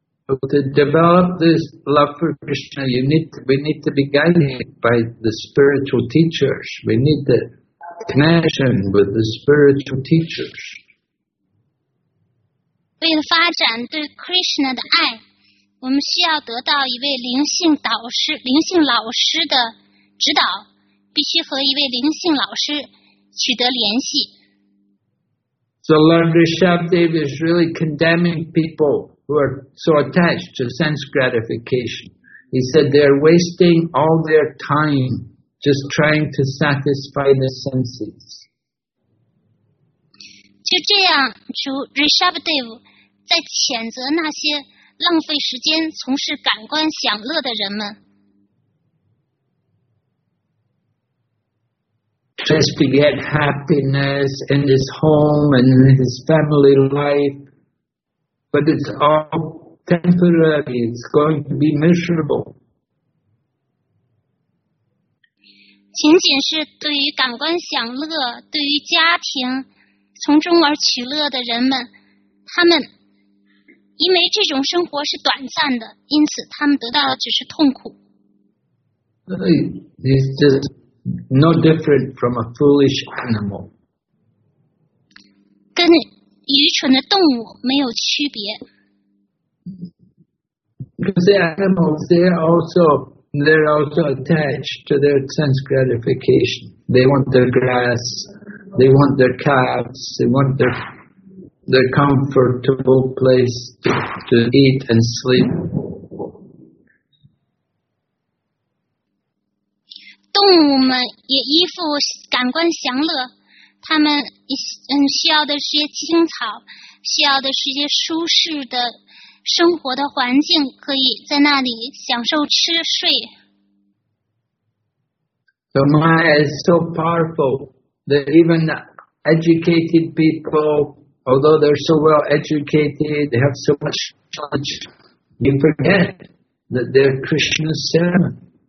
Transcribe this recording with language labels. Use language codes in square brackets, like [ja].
[en] To develop this love for Krishna, we need to be guided by the spiritual teachers. We need the connection with the spiritual teachers. [zh] 为了发展对 Krishna 的爱，我们需要得到一位灵性导师、灵性老师的指导，必须和一位灵性老师取得联系。 [en] So Lord Rishabhdev is really condemning people who are so attached to sense gratification. He said they are wasting all their time just trying to satisfy the senses. [zh] 就这样，主 Rishabhdev 在谴责那些浪费时间从事感官享乐的人们。 [en] Just to get happiness in his home and in his family life, but it's all temporary. It's going to be miserable. [zh] 仅仅是对于感官享乐，对于家庭。从中而取乐的人们，他们因为这种生活是短暂的，因此他们得到的只是痛苦。 [en] It's just no different from a foolish animal. [zh] 跟愚蠢的动物没有区别。 [en] Because the animals, they're also attached to their sense gratification. They want their grass. They want their calves, they want their comfortable place to eat and sleep. [zh] 动物们也依附感官享乐，他们需要的是些青草，需要的是些舒适的生活的环境，可以在那里享受吃睡。 [en] The Maya is so powerful. That even educated people, although they're so well educated, they have so much knowledge, they forget that they're Krishna's servant.